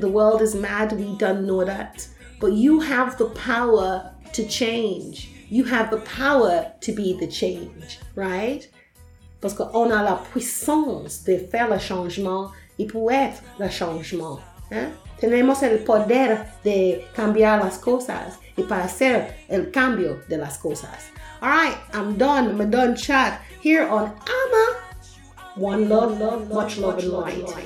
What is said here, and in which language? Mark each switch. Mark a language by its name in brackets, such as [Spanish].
[English] The world is mad, we don't know that. But you have the power to change. You have the power to be the change, right? [French] Parce qu'on a la puissance de faire le changement et pour être le changement. Hein? [Spanish] Tenemos el poder de cambiar las cosas y para hacer el cambio de las cosas. [English] All right, I'm done. I'm done chat here on Ama. One love, love, much love, love and light.